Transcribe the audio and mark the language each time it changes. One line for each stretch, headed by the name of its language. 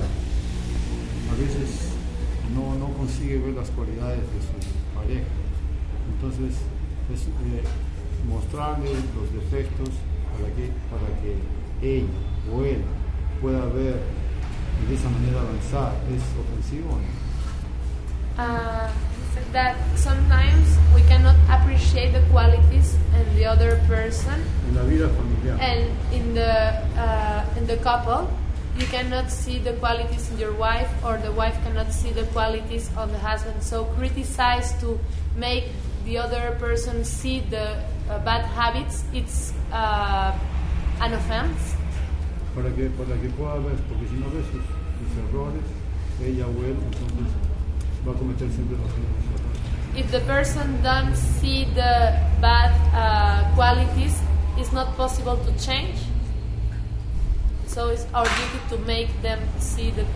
Spanish: A veces no consigue ver las cualidades de su pareja. Entonces, es mostrarle los defectos para que ella o él pueda ver y de esa manera avanzar. ¿Es ofensivo o no?
English: That sometimes we cannot appreciate the qualities in the other person.
Spanish: En la vida familiar.
English: And in the couple. You cannot see the qualities in your wife, or the wife cannot see the qualities of the husband. So criticize to make the other person see the bad habits, it's an offense.
Spanish: Para que pueda ver, porque si no ves sus errores, ella o él, entonces va a cometer siempre los mismos errores.
English: If the person don't see the bad qualities, it's not possible to change. So it's our duty to make them see